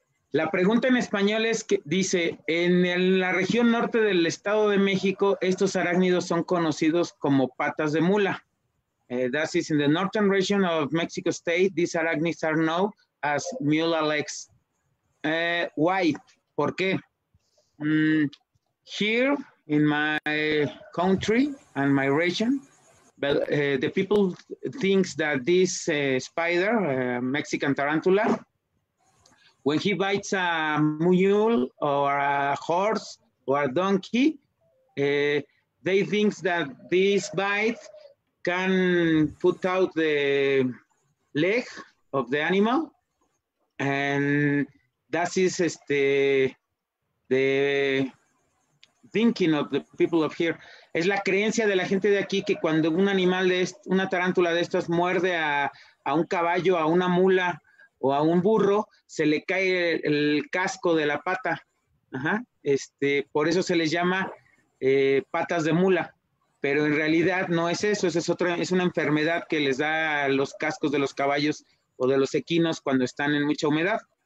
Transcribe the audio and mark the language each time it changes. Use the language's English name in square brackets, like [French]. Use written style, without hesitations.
[Spanish] La pregunta en español es que dice, en la región norte del Estado de México, estos arácnidos son conocidos como patas de mula. [English] That is in the northern region of Mexico State, these arachnids are known as mule legs. Why? [Spanish] ¿Por qué? [English] Here in my country and my region, the people think that this spider, Mexican tarantula, when he bites a mule or a horse or a donkey, they think that this bite can put out the leg of the animal. And that is the thinking of the people of here. [Spanish] Es la creencia de la gente de aquí que cuando un animal de una tarántula de estas muerde a un caballo, a una mula o a un burro, se le cae el casco de la pata. Ajá. Por eso se les llama patas de mula. Pero en realidad no es eso, es una enfermedad que les da a los cascos de los caballos o de los equinos cuando están en mucha humedad.